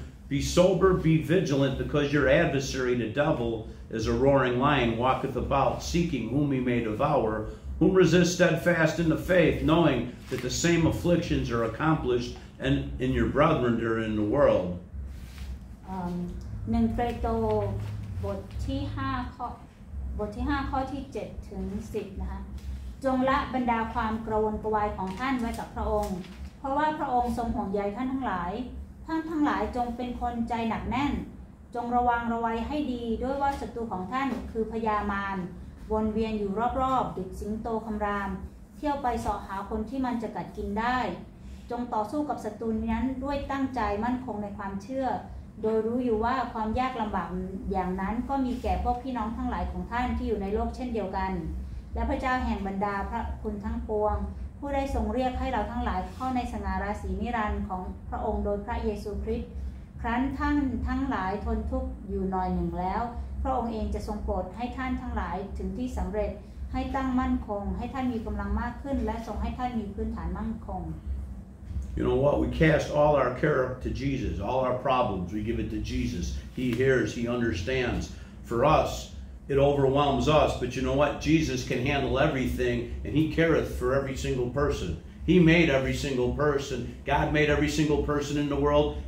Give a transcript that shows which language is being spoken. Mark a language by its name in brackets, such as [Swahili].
[English] Be sober, be vigilant because your adversary the devilAs a roaring lion walketh about, seeking whom he may devour, whom resist steadfast in the faith, knowing that the same afflictions are accomplished and in your brethren that are in the world. [Thai] 1 เปโตรบทที่5ข้อบทที่5ข้อที่7ถึง10นะคะจงละบรรดาความกระวนกระวายของท่านไว้กับพระองค์เพราะว่าพระองค์ทรงห่วงใยท่านทั้งหลายท่านทั้งหลายจงเป็นคนใจหนักแน่นจงระวังระวัยให้ดีด้วยว่าศัตรูของท่านคือพญามารวนเวียนอยู่รอบๆดุจสิงโตคำรามเที่ยวไปเสาะหาคนที่มันจะกัดกินได้ จงต่อสู้กับศัตรูนั้นด้วยตั้งใจมั่นคงในความเชื่อโดยรู้อยู่ว่าความยากลำบากอย่างนั้นก็มีแก่พวกพี่น้องทั้งหลายของท่านที่อยู่ในโลกเช่นเดียวกันและพระเจ้าแห่งบรรดาพระคุณทั้งปวงผู้ได้ทรงเรียกให้เราทั้งหลายเข้าในสง่าราศีนิรันดร์ของพระองค์โดยพระเยซูคริสต์ครั้นท่านทั้งหลายทนทุกข์อยู่หน่อยหนึ่งแล้วพระองค์เองจะทรงโปรดให้ท่านทั้งหลายถึงที่สำเร็จให้ตั้งมั่นคงให้ท่านมีกำลังมากขึ้นและทรงให้ท่านมีพื้นฐานมั่นคง [English] You know what? We cast all our care to Jesus. All our problems, we give it to Jesus. He hears. He understands. For us, it overwhelms us, but you know what? Jesus can handle everything, and he careth for every single person. He made every single person. God made every single person in the world.